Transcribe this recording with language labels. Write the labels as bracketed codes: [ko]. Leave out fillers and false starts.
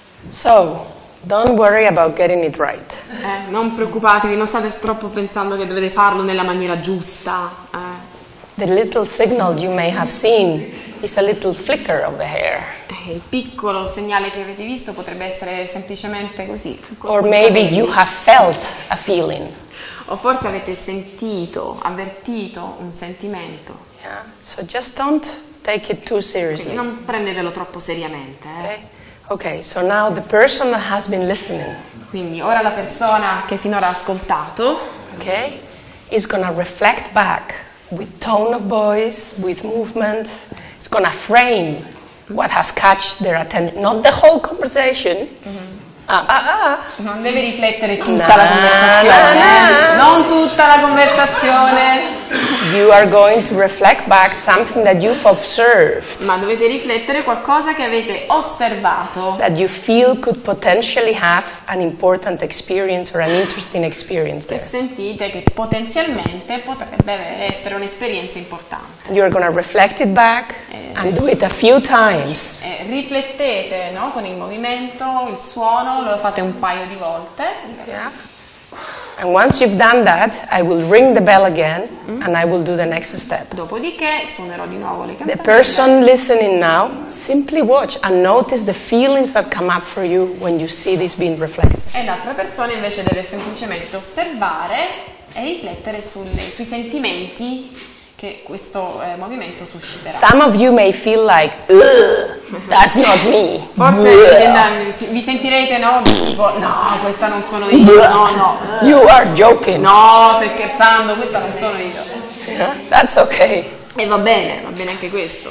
[en] So, don't worry about getting it right. [it] Non preoccupatevi, non state troppo pensando che dovete farlo nella maniera giusta. [en] The little signal you may have seen is a little flicker of the hair. [it] Il piccolo segnale che avete visto potrebbe essere semplicemente così. [en] Or maybe you have felt a feeling. [it] O forse avete sentito, avvertito un sentimento. [en] Yeah. So just don't take it too seriously. [it] Quindi non prendetelo troppo seriamente. [en] Okay, so now the person that has been listening. [it] Quindi ora la persona che finora ha ascoltato, [en] okay, is gonna reflect back with tone of voice, with movement. It's gonna frame what has catched their attention, not the whole conversation. [it] Non deve riflettere tutta la conversazione. Non tutta la conversazione. [en] You are going to reflect back something that you've observed. [it] Ma dovete riflettere qualcosa che avete osservato. [en] That you feel could potentially have an important experience or an interesting experience there. [it] Che sentite che potenzialmente potrebbe essere un'esperienza importante. [en] You are going to reflect it back and do it a few times. [it] Riflettete, no, con il movimento, il suono, lo fate un paio di volte. [en] And once you've done that, I will ring the bell again, and I will do the next step. [it] Dopodiché suonerò di nuovo le campanelle. [en] The person listening now, simply watch and notice the feelings that come up for you when you see this being reflected. [it] E l'altra persona invece deve semplicemente osservare e riflettere sui sentimenti che questo movimento susciterà. [en] Some of you may feel like, ugh, that's not me. [it] Forse vi sentirete, no? No, questa non sono io. No, no. [en] You are joking. [it] No, stai scherzando, questa non sono io. [en] That's okay. [it] E va bene anche questo.